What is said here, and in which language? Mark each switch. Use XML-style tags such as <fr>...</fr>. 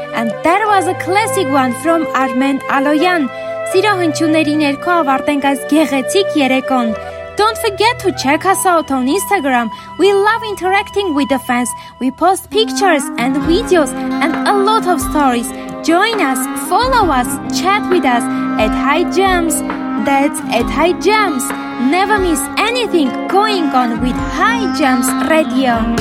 <en>And that was a classic one from Armen Aloyan.</en> <hy>Սիրո հնչյունների ներքո ավարտենք այս գեղեցիկ երեկոն.</hy> <en>Don't forget to check us out on Instagram. We love interacting with the fans. We post pictures and videos and a lot of stories. Join us, follow us, chat with us at High Jams. That's at High Jams. Never miss anything going on with High Jams Radio.</en>